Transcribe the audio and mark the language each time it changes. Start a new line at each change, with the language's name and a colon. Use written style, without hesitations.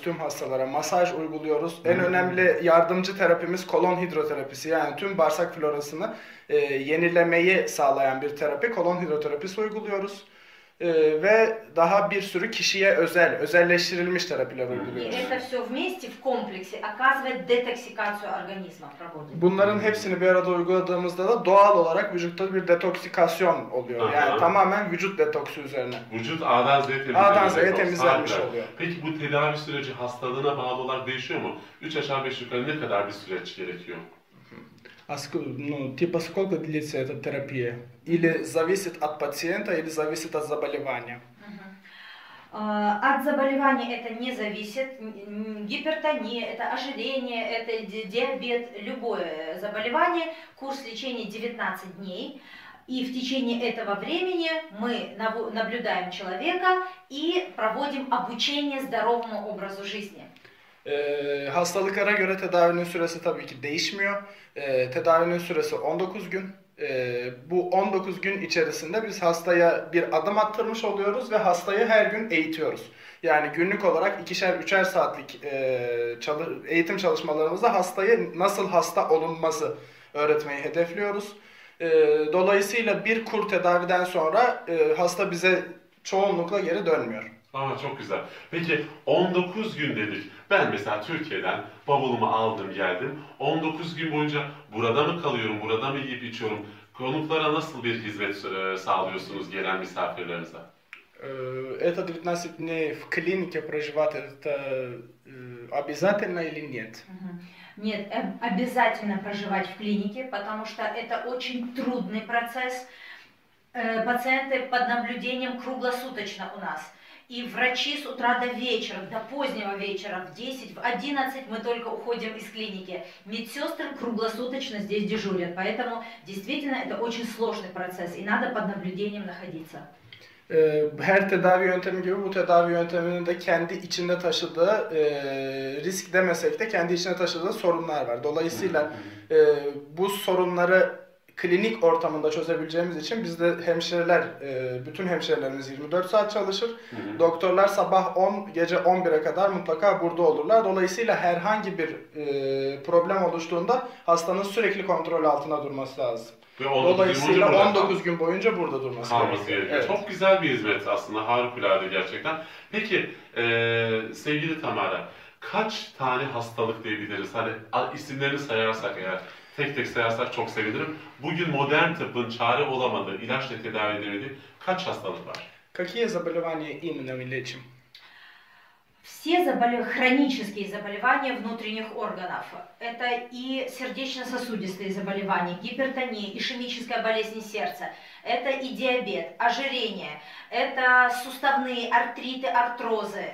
Turkish: Tüm hastalara masaj uyguluyoruz. En önemli yardımcı terapimiz kolon hidroterapisi. Yani tüm bağırsak florasını yenilemeyi sağlayan bir terapi. Kolon hidroterapisi uyguluyoruz. Ve daha bir sürü kişiye özel, özelleştirilmiş terapiler uyguluyoruz.
Russian: Это всё вместе в комплексе оказывает детоксикацию организма.
Turkish: Bunların hepsini bir arada uyguladığımızda da doğal olarak vücutta bir detoksikasyon oluyor. Aha. Yani tamamen vücut detoksu üzerine. Vücut A'dan Z'ye temizlenmiş. A'dan Z'ye temizlenmiş oluyor. Peki bu tedavi süreci hastalığına bağlı olarak değişiyor mu? 3 aşağı 5 yukarı ne kadar bir süreç gerekiyor?
Russian: Типа сколько длится эта терапия? Или зависит от пациента, или зависит от заболевания? От заболевания это не зависит. Гипертония, это ожирение, это диабет, любое заболевание. Курс лечения 19 дней. И в течение этого времени мы наблюдаем человека и проводим обучение здоровому образу жизни.
Turkish: Hastalıklara göre tedavinin süresi tabii ki değişmiyor. Tedavinin süresi 19 gün. Bu 19 gün içerisinde biz hastaya bir adım attırmış oluyoruz ve hastayı her gün eğitiyoruz. Yani günlük olarak 2'şer 3'er saatlik eğitim çalışmalarımızda hastaya nasıl hasta olunması öğretmeyi hedefliyoruz. Dolayısıyla bir kur tedaviden sonra hasta bize çoğunlukla geri dönmüyor. Aa, çok güzel. Peki 19 gün dedik. Ben mesela Türkiye'den bavulumu aldım geldim. 19 gün boyunca burada mı kalıyorum, burada mı yiyip içiyorum? Konuklara nasıl bir hizmet sağlıyorsunuz gelen misafirlerinize?
Russian: Это 19 дней в клинике проживать, это обязательно или нет? Нет, обязательно проживать в клинике, потому что это очень трудный процесс. Пациенты под наблюдением круглосуточно у нас. И врачи с утра до вечера, до позднего вечера, в 10, в 11 мы только уходим из клиники. Медсестры круглосуточно здесь дежурят, поэтому действительно это очень сложный процесс, и надо под наблюдением находиться.
Turkish: Her tedavi yöntemi gibi bu tedavi yönteminin de kendi içinde taşıdığı risk demesek de kendi içinde taşıdığı sorunlar var. Dolayısıyla bu sorunları klinik ortamında çözebileceğimiz için bizde hemşireler, bütün hemşirelerimiz 24 saat çalışır. Hı hı. Doktorlar sabah 10, gece 11'e kadar mutlaka burada olurlar. Dolayısıyla herhangi bir problem oluştuğunda hastanın sürekli kontrol altına durması lazım. Dolayısıyla 19 gün boyunca burada durması gerekiyor. Evet. Çok güzel bir hizmet aslında, harikulade gerçekten. Peki sevgili Tamara, kaç tane hastalık diyebiliriz? Hani isimlerini sayarsak eğer. Tek tek sayarsak çok sevinirim. Bugün modern tıbbın çare olamadığı, ilaçla tedavi edemediği kaç hastalık var?
Russian: Какие заболевания именно мы лечим? Все хронические заболевания внутренних органов. Это и сердечно-сосудистые заболевания, гипертония, ишемическая болезнь сердца. Это и диабет, ожирение. Это суставные артриты, артрозы.